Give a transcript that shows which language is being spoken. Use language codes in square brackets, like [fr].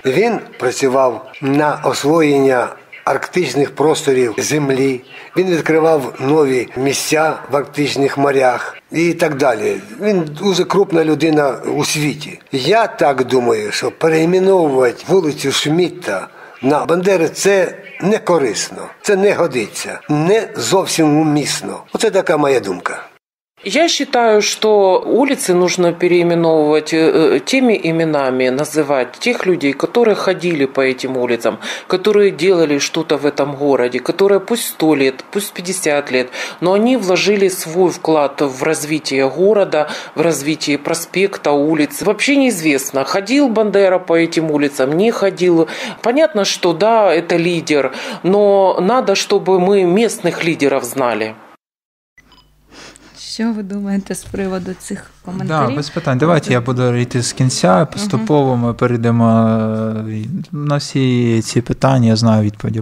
[uk] Він працював на освоєння арктичних просторів землі, він відкривав нові місця в арктичних морях і так далі. Він дуже крупна людина у світі. Я так думаю, що перейменовувати вулицю Шмідта на Бандери – це не корисно, це не годиться, не зовсім умісно. Оце така моя думка. [ru] Я считаю, что улицы нужно переименовывать теми именами, называть тех людей, которые ходили по этим улицам, которые делали что-то в этом городе, которые пусть 100 лет, пусть 50 лет, но они вложили свой вклад в развитие города, в развитие проспекта, улиц. Вообще неизвестно, ходил Бандера по этим улицам, не ходил. Понятно, что да, это лидер, но надо, чтобы мы местных лідерів знали. [uk] Що ви думаєте з приводу цих коментарів? Так, да, без питань. Давайте я буду йти з кінця, поступово ми перейдемо на всі ці питання, я знаю відповіді.